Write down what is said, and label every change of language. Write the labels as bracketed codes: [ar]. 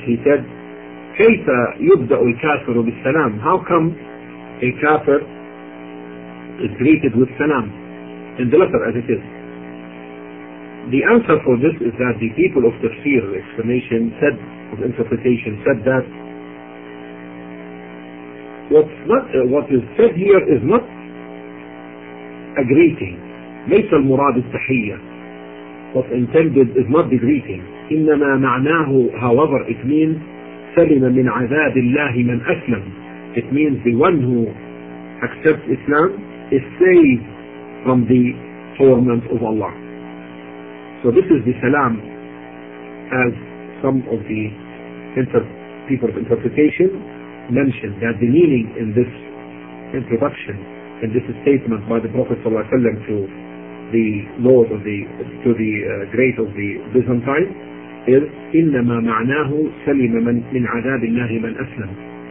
[en] He said, [ar] كيف يبدأ الكافر بالسلام? [en] How come a kafir is greeted with salam in the letter as it is? The answer for this is that the people of tafsir, explanation, said, of interpretation, said that what is said here is not a greeting. [ar] ليس المراد التحية. [en] What intended is not the greeting. [ar] إنما معناه, [en] however, it means [ar] سلم من عذاب الله من أسلم. [en] It means the one who accepts Islam is saved from the torment of Allah. So this is the salam, as some of the people of interpretation mentioned, that the meaning in this introduction, in this statement by the Prophet ﷺ to the Lord of the, to the great of the Byzantine, is [ar] إنما معناه سلم من عذاب الله من أسلم.